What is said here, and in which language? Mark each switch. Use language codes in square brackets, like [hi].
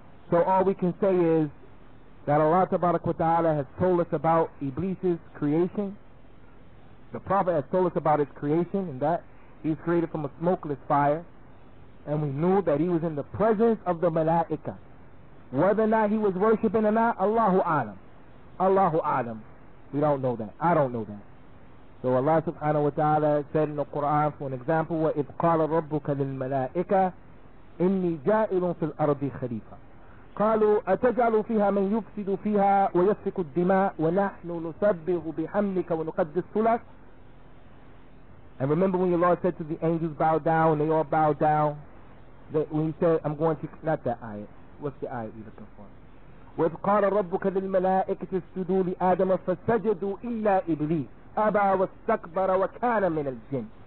[en] So all we can say is that Allah Tabarak wa Ta'ala has told us about Iblis's creation. The Prophet has told us about his creation, and that he's created from a smokeless fire. And we knew that he was in the presence of the Malaika. Whether or not he was worshiping or not, Allahu A'lam. Allahu A'lam. We don't know that. I don't know that. So Allah subhanahu wa ta'ala said in the Quran, for an example, [ar] وَإِذْ قَالَ رَبُّكَ لِلْمَلَائِكَةِ إِنِّي جَائِلٌ فِي الْأَرْضِ خَلِيفَةً قَالُوا أَتَجْعَلُ فِيهَا مَنْ يُفْسِدُ فِيهَا وَيَسْفِكُ الدِّمَاءُ وَنَحْنُ نُسَبِّهُ بِحَمْلِكَ وَنُقَدِّسُ لَكَ. [en] And remember when your Lord said to the angels, bow down, and they all bowed down. That when he said, I'm going to, not that ayah. What's the ayah you're looking for? [ar] وَإِذْ قَالَ رَبُّكَ لِلْمَلَائِكَةِ اسْجُدُوا لِآدَمَ فَسَجَدُوا إِلَّا إِبْلِيسَ أَبَى وَاسْتَكْبَرَ وَكَانَ مِنَ الْجِنِّ.